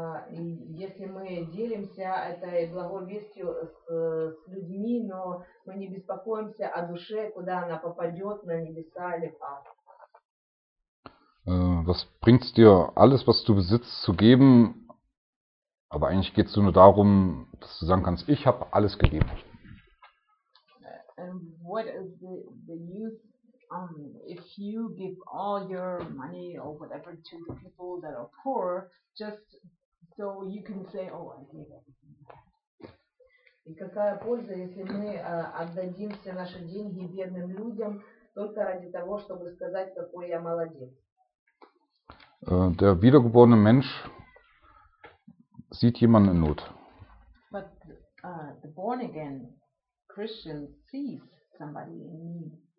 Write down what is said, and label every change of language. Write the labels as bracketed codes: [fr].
[ru] Если мы делимся этой благовестью с людьми, но мы не беспокоимся о душе, куда она попадет, на небеса или в ад. [de] Was bringt dir alles, was du besitzt, zu geben? Aber eigentlich geht es nur darum, dass du sagen kannst, ich habe alles gegeben. [en] What is the use if you give all your money or whatever to the people that are poor, just so you can say, oh, I gave everything. [ru] И какая польза, если мы отдадим все наши деньги бедным людям только ради того, чтобы сказать, какой я молодец? [de] Der wiedergeborene Mensch sieht jemanden in Not. [en] But the born again Christian sees somebody in need.